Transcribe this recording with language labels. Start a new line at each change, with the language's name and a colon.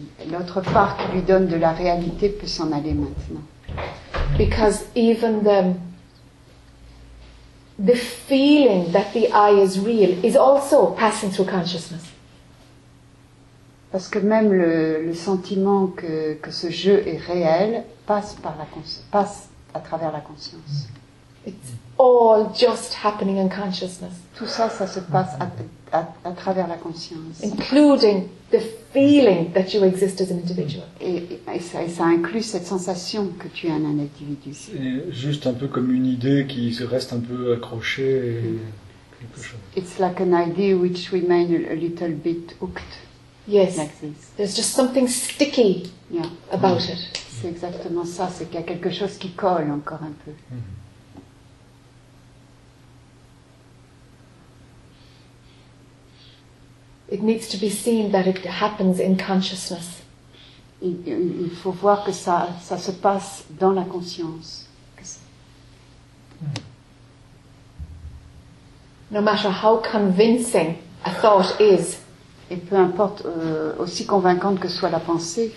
French: L'autre part qui lui donne de la réalité peut s'en aller maintenant.
English: Because even the feeling that the I is real is also passing through consciousness.
French: Parce que même le sentiment que ce jeu est réel passe à travers la conscience.
English: It's all just happening in consciousness.
French: Tout ça se passe à travers la conscience.
English: Including the feeling that you exist as an individual.
French: Et ça inclut cette sensation que tu es un individu. Et juste un peu comme une idée qui reste un peu accrochée. Et quelque chose.
English: It's like an idea which remains a little bit hooked. Yes. Like this. There's just something sticky about it.
French: C'est exactement ça. C'est qu'il y a quelque chose qui colle encore un peu. Mm-hmm.
English: It needs to be seen that it happens in consciousness.
French: Il faut voir que ça se passe dans la conscience.
English: No matter how convincing a thought is,
French: et peu importe aussi convaincante que soit la pensée,